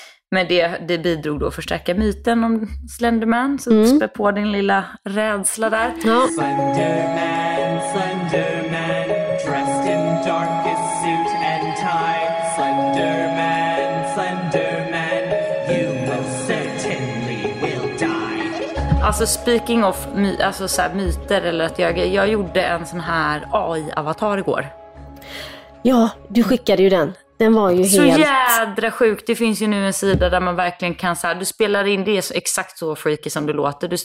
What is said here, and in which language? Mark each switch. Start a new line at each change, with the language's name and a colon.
Swedish: Men det bidrog då att förstärka myten om Slenderman, så spär på din lilla rädsla där. Ja.
English: Slenderman, Slenderman, dressed in darkest suit and tie. Slenderman, Slenderman, you most certainly will die.
Swedish: Alltså speaking of myter, eller att jag gjorde en sån här AI-avatar igår. Ja, du skickade ju den. Den var ju så jädra sjuk. Det finns ju nu en sida där man verkligen kan så här, du spelar in, det är exakt så freaky som det låter.